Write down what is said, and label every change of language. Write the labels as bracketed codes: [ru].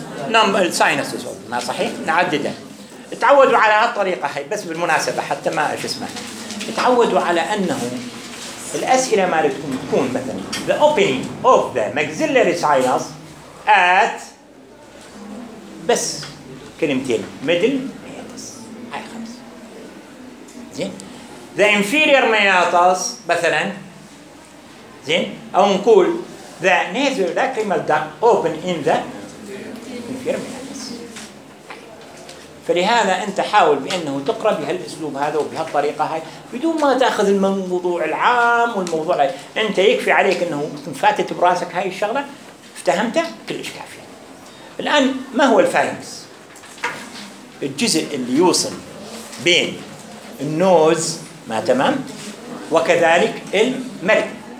[ar] نعمل ساينسز ما صحيح؟ نعدده. تعودوا على هالطريقة هاي بس بالمناسبة حتى ما إيش اسمه. تعودوا على أنه الأسئلة ما لكم تكون مثلاً [en] the opening of the maxillary sinus at [ar] بس كلمتين middle hiatus هاي خمس. زين. [en] The inferior hiatus مثلاً. [ar] زين. أو نقول [en] the nasal lacrimal duct open in the inferior meatus. [ar] فلهذا أنت حاول بأنه تقرأ بهالأسلوب هذا وبهالطريقة هاي بدون ما تأخذ الموضوع العام والموضوع هاي. أنت يكفي عليك أنه فاتت براسك هاي الشغلة، افتهمته كلش كافية. الآن ما هو الفارينكس؟ الجزء اللي يوصل بين النوز ما تمام وكذلك المريء.